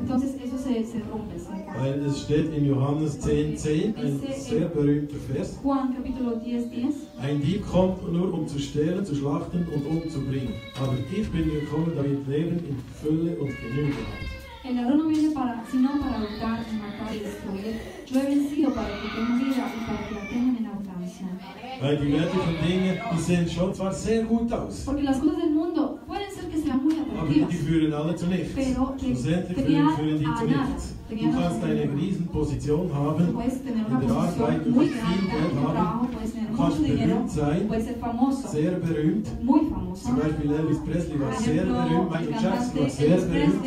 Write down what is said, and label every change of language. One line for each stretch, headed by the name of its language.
Spanish: Entonces, eso se rompe, se
German: weil es steht in Johannes 10,10, ein sehr berühmter Vers.
Spanish: Juan, capítulo 10,10.
German: Ein Dieb kommt nur, um zu stehlen, zu schlachten und umzubringen. Aber ich bin gekommen, damit Leben in Fülle und Genüge hat.
Spanish: El ladrón no viene sino para hurtar, matar y destruir. Yo he vencido para que tengan vida y para que la tengan en abundancia.
German: Weil die wertvollen Dinge, die sehen schon zwar sehr gut aus.
Spanish: Porque las cosas del mundo pueden ser que sean muy atractivas.
German: Aber die führen alle zu nichts. Schlussendlich führen die zu nichts. Du kannst eine riesen Position haben, in der Arbeit, du kannst viel Geld haben, kannst berühmt sein, sehr berühmt. Zum Beispiel Elvis Presley war sehr berühmt, Michael Jackson war sehr berühmt.